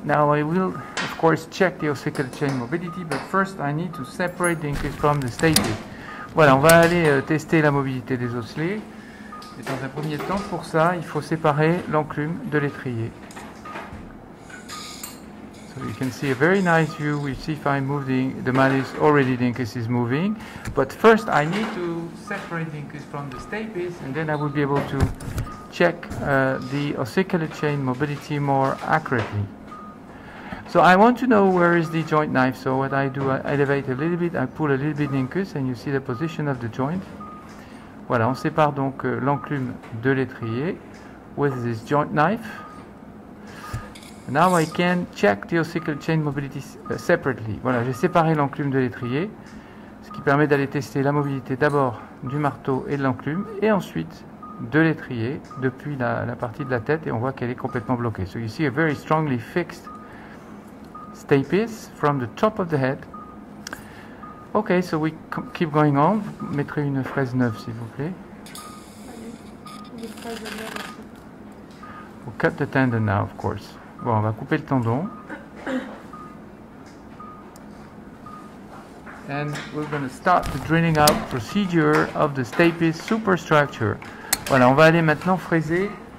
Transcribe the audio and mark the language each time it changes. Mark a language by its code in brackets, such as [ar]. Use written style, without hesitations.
[en] Now I will of course check the ossicular chain mobility, but first I need to separate the incus from the stapes. [fr] Voilà, on va aller tester la mobilité des osselets. Et dans un premier temps, pour ça, il faut séparer l'enclume de l'étrier. [en] You can see a very nice view. We see if I move the malleus, already the incus is moving. But first I need to separate the incus from the stapes, and then I will be able to check the ossicular chain mobility more accurately. So I want to know where is the joint knife. So what I do, I elevate a little bit, I pull a little bit the incus, and you see the position of the joint. [fr] Voilà, on sépare donc l'enclume de l'étrier [en] with this joint knife. Now I can check the ossicular chain mobility separately. [fr] Voilà, j'ai séparé l'enclume de l'étrier, ce qui permet d'aller tester la mobilité d'abord du marteau et de l'enclume, et ensuite de l'étrier depuis la partie de la tête, et on voit qu'elle est complètement bloquée. [en] So you see a very strongly fixed stapes from the top of the head. Okay, so we keep going on. [fr] Vous mettrez une fraise neuve, s'il vous plaît. [en] We'll cut the tendon now, of course. [fr] Bon, on va couper le tendon. [en] And we're going to start the drilling out procedure of the stapes superstructure. [fr] Voilà, on va aller maintenant fraiser